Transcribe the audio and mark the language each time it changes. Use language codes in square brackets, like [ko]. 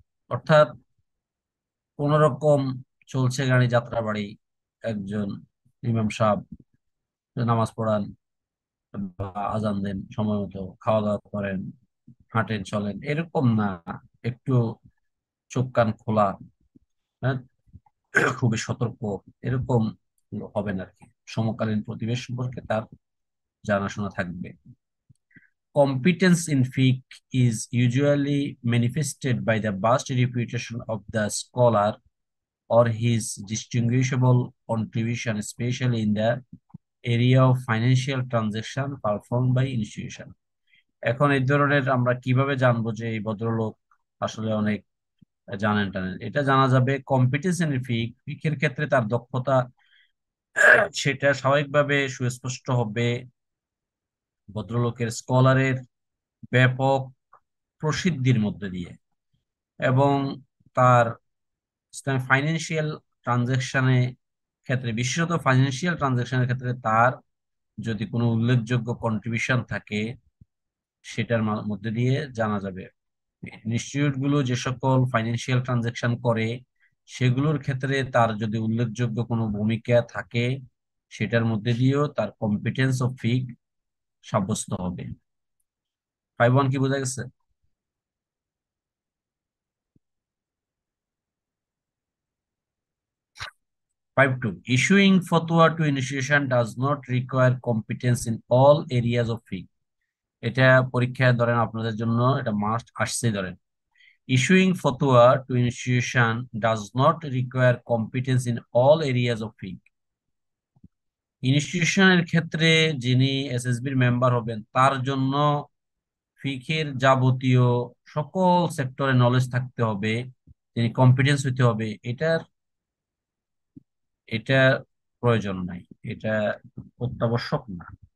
[bn] অর্থাৎ কোন রকম চলছে গাড়ি যাত্রা বাড়ি, একজন ইমাম সাহেব নামাজ পড়ান বা আজান দেন, সময় মতো খাওয়া দাওয়া করেন, হাঁটেন চলেন, এরকম না, একটু চোখ কান খোলা, হ্যাঁ, খুবই সতর্ক, এরকম হবেন আর কি। সমকালীন প্রতিবেশ সম্পর্কে তার জানাশোনা থাকবে। [en] Competence in fiqh is usually manifested by the vast reputation of the scholar or his distinguishable contribution, especially in the area of financial transaction performed by institution. [bn] এখন এই ধরনের আমরা কিভাবে জানবো যে এই ভদ্রলোক আসলে অনেক জানেন টানেন? এটা জানা যাবে কম্পিটিশন ইন ফিক, ফিকের ক্ষেত্রে তার দক্ষতা সেটা স্বাভাবিকভাবে সুস্পষ্ট হবে। ভদ্রলোকের স্কলারের ব্যাপক প্রসিদ্ধির মধ্যে দিয়ে এবং তার ফাইন্যান্সিয়াল ট্রানজেকশনের ক্ষেত্রে, বিশেষত ফাইন্যান্সিয়াল ট্রানজেকশনের ক্ষেত্রে তার যদি কোনো উল্লেখযোগ্য কন্ট্রিবিউশন থাকে সেটার মধ্যে দিয়ে জানা যাবে। ইনস্টিটিউট গুলো যে সকল ফাইন্যান্সিয়াল ট্রানজেকশন করে সেগুলোর ক্ষেত্রে তার যদি উল্লেখযোগ্য কোনো ভূমিকা থাকে সেটার মধ্যে দিয়েও তার কম্পিটেন্স অফ ফিক সাব্যস্ত হবে। 5-1 কি বোঝা গেছে? [en] Five-two, issuing fatwa to institution does not require competence in all areas of fiqh. [bn] এটা পরীক্ষায় ধরেন আপনাদের জন্য এটা মাস্ট আসছে। ধরেন [en] Issuing ফতোয়া to institution does not require competence in all areas of ফিক। [bn] ইনস্টিটিউশনের ক্ষেত্রে যিনি এসএসবির মেম্বার হবেন তার জন্য ফিকের যাবতীয় সকল সেক্টরে নলেজ থাকতে হবে, তিনি কম্পিটেন্স হইতে হবে, এটার এটা প্রয়োজন নাই, এটা অত্যাবশ্যক না।